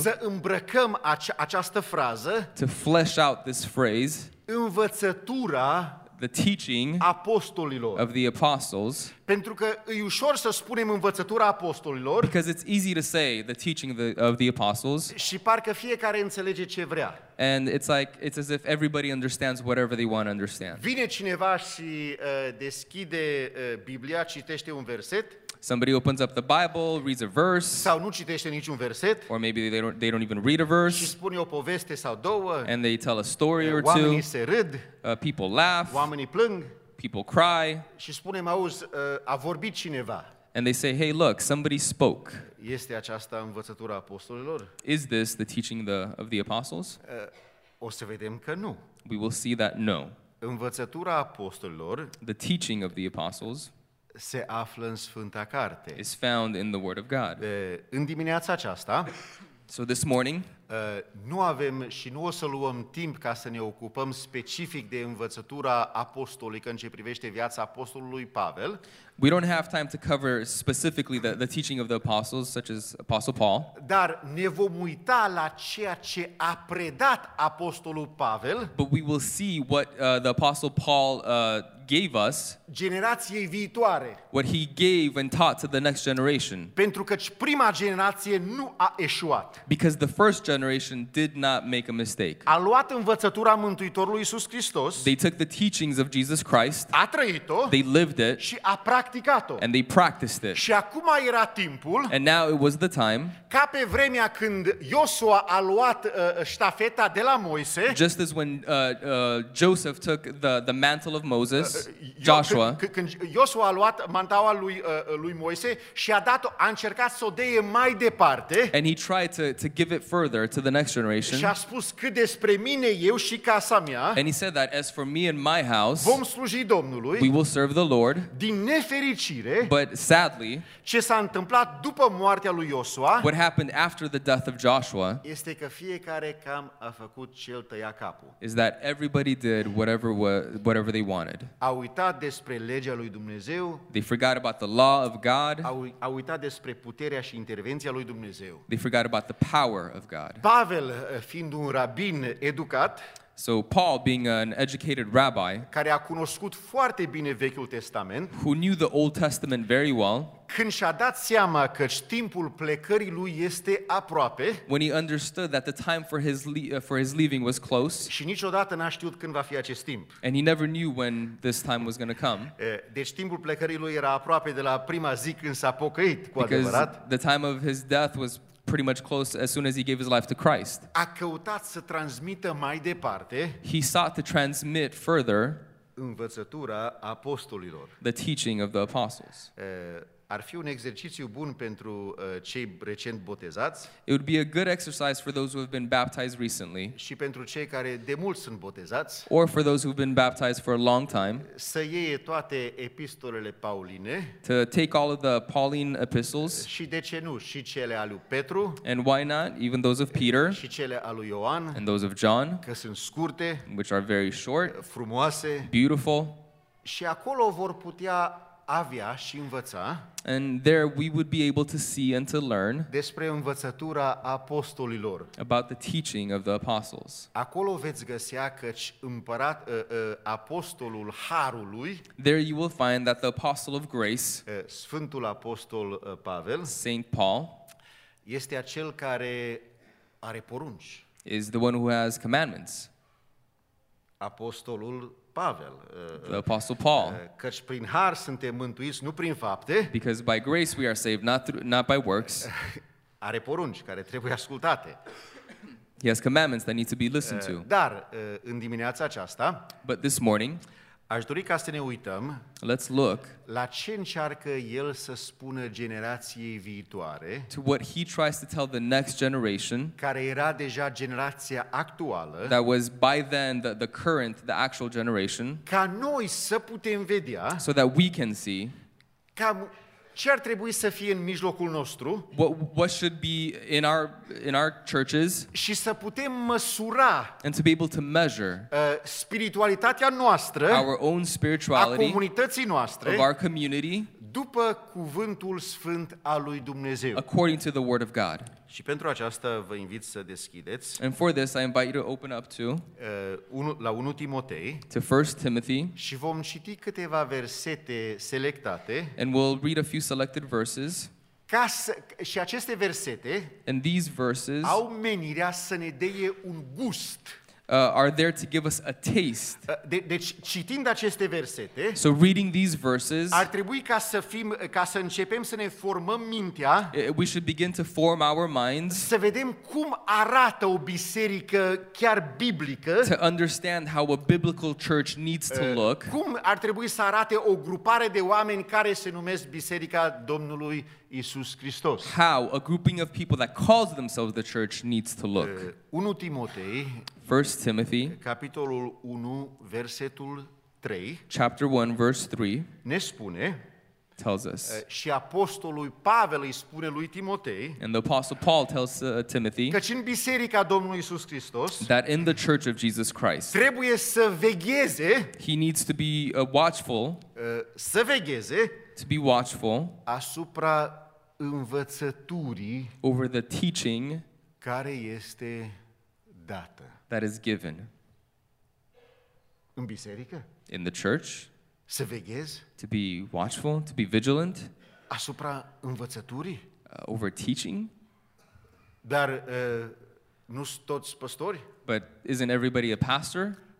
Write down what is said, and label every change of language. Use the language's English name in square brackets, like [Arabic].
[Romanian] Să îmbrăcăm această frază. [English] To flesh out this phrase. [Romanian] Învățătura. [English] The teaching [Romanian] apostolilor. [English] Of the apostles. [Romanian] Pentru că e ușor să spunem învățătura apostolilor. [English] Because it's easy to say the teaching of the apostles. [Romanian] Și parcă fiecare înțelege ce vrea. [English] And it's like it's as if everybody understands whatever they want to understand. [Romanian] Vine cineva și deschide Biblia, citește un verset. [English] Somebody opens up the Bible, reads a verse. [Romanian] Sau nu citește niciun verset. [English] Or maybe they don't even read a verse. [Romanian] Și spune o poveste sau două. [English] And they tell a story or two. [Romanian] Oamenii se râd. [English] People laugh. [Romanian] Oamenii plâng. [English] People cry. [Romanian] Și spune, auzi, a vorbit cineva. [English] And they say, hey, look, somebody spoke. [Romanian] Este aceasta învățătura apostolilor? [English] Is this the teaching of the apostles? [Romanian] O să vedem că nu. [English] We will see that no. [Romanian] Învățătura apostolilor. [English] The teaching of the apostles. [Romanian] Se află în Sfânta Carte. [English] Is found in the Word of God. [Romanian] În dimineața aceasta. [English] So this morning. [Romanian] Nu avem și nu o să luăm timp ca să ne ocupăm specific de învățătura apostolică în ce privește viața apostolului Pavel. [English] We don't have time to cover specifically the teaching of the apostles, such as Apostle Paul. [Romanian] Dar ne vom uita la ceea ce a predat apostolul Pavel. [English] But we will see what the Apostle Paul gave us, [Romanian] generației viitoare, [English] what he gave and taught to the next generation. [Romanian] Pentru că prima generație nu a eșuat. [English] Because the first generation did not make a mistake. [Romanian] A luat învățătura Mântuitorului Iisus Hristos. [English] They took the teachings of Jesus Christ. [Romanian] A trăit-o. [English] They lived it. [Romanian] Și a practicat-o. [English] And they practiced it. [Romanian] Și acum era timpul. [English] And now it was the time. [Romanian] Ca pe vremea când Iosua a luat ștafeta de la Moise. [English] Just as when Joseph took the mantle of Moses, Joshua. [Romanian] Când Iosua a luat mantaua lui Moise și a dat-o, a încercat să o deie mai departe. [English] And he tried to give it further to the next generation. [Romanian] Și a spus cât despre mine, eu și casa mea. [English] And he said that as for me and my house, [Romanian] vom sluji Domnului. [English] We will serve the Lord. [Romanian] Din nefericire, [English] but sadly, [Romanian] ce s-a întâmplat după moartea lui Iosua? [English] What happened after the death of Joshua? [Romanian] Este că fiecare cam a făcut ce îl tăia capul. [English] Is that everybody did whatever they wanted. [Romanian] Au uitat despre legea lui Dumnezeu. [English] They forgot about the law of God. [Romanian] Au uitat despre puterea și intervenția lui Dumnezeu. [English] They forgot about the power of God. [Romanian] Pavel, fiind un rabin educat, [English] so Paul, being an educated rabbi, [Romanian] care a cunoscut foarte bine Vechiul Testament, [English] who knew the Old Testament very well, [Romanian] când și-a dat seama că timpul plecării lui este aproape, [English] when he understood that the time for his leaving was close, [Romanian] și niciodată n-a știut când va fi acest timp, [English] and he never knew when this time was going to come, [Romanian] deci timpul plecării lui era aproape de la prima zi când s-a pocăit cu [English] because [Romanian] adevărat, [English] the time of his death was pretty much close as soon as he gave his life to Christ. [Romanian] A căutat să transmită mai departe. [English] He sought to transmit further [Romanian] învățătura apostolilor. [English] The teaching of the apostles. [Romanian] Ar fi un exercițiu bun pentru cei recent botezați. [English] It would be a good exercise for those who have been baptized recently. [Romanian] Și pentru cei care de mult sunt botezați. [English] Or for those who've been baptized for a long time. [Romanian] Să iei toate epistolele pauline. [English] To take all of the Pauline epistles. [Romanian] Și de ce nu? Și cele ale lui Petru. [English] And why not? Even those of Peter. [Romanian] Și cele ale lui Ioan. [English] And those of John. [Romanian] Că sunt scurte. [English] Which are very short. [Romanian] Frumoase. [English] Beautiful. [Romanian] Și acolo vor putea avea și învăța. [English] And there we would be able to see and to learn [Romanian] despre învățătura apostolilor. [English] About the teaching of the apostles. [Romanian] Acolo veți găsea căci împărat apostolul harului. [English] There you will find that the apostle of grace, [Romanian] Sfântul apostol Pavel, [English] Saint Paul, [Romanian] este acel care are porunci. [English] Is the one who has commandments. [Romanian] Apostolul Pavel, [English] the Apostle Paul. [Romanian] Căci prin har suntem mântuiți, nu prin fapte. [English] Because by grace we are saved, not by works. [Romanian] Are porunci care trebuie ascultate. [English] He has commandments that need to be listened to. [Romanian] Dar în dimineața aceasta, [English] but this morning, [Romanian] aș dori ca să ne uităm, [English] let's look, [Romanian] la ce încearcă el să spună generației viitoare, [English] to what he tries to tell the next generation, [Romanian] care era deja generația actuală, [English] that was by then the current, the actual generation, [Romanian] ca noi să putem vedea, [English] so that we can see, [Romanian] cam ce ar trebui să fie în mijlocul nostru, [English] what should be in our churches, [Romanian] și să putem măsura, [English] and to be able to measure, [Romanian] spiritualitatea noastră, [English] our own spirituality, [Romanian] a comunității noastre, [English] of our community, [Romanian] după cuvântul sfânt al lui Dumnezeu, [English] according to the word of God. [Romanian] Și pentru aceasta vă invit să deschideți, [English] and for this I invite you to open up to, [Romanian] la 1 Timotei, [English] to 1 Timothy, [Romanian] și vom citi câteva versete selectate, [English] and we'll read a few selected verses, [Romanian] și aceste versete, [English] and these verses, [Romanian] au menirea să ne deie un gust, [English] are there to give us a taste. [Romanian] Deci citind aceste versete, [English] so reading these verses, [Romanian] ar trebui ca să fim, ca să începem să ne formăm mintea, [English] we should begin to form our minds, [Romanian] să vedem cum arată o biserică chiar biblică, [English] to understand how a biblical church needs to look, [Romanian] cum ar trebui să arate o grupare de oameni care se numesc Biserica Domnului Iisus Hristos. [English] How a grouping of people that calls themselves the church needs to look. [Romanian] 1 Timotei, [English] 1 Timothy, [Romanian] capitolul 1, versetul 3, [English] chapter 1, verse 3, [Romanian] ne spune, [English] tells us, [Romanian] și apostolul Pavel îi spune lui Timotei, [English] and the apostle Paul tells Timothy, [Romanian] căci în biserica Domnului Iisus Hristos, [English] that in the church of Jesus Christ, [Romanian] trebuie să vegheze, [English] he needs to be watchful, [Romanian] să vegheze, [English] to be watchful, [Romanian] asupra învățăturii, [English] over the teaching, [Romanian] care este dată, [English] that is given, [Romanian] în biserică, [English] in the church, [Romanian] Să veghezi? [English] To be watchful, to be vigilant. [Romanian] Asupra învățăturii? [English] Over teaching. [Romanian] Dar nu sunt toți păstori? [English] But isn't everybody a pastor?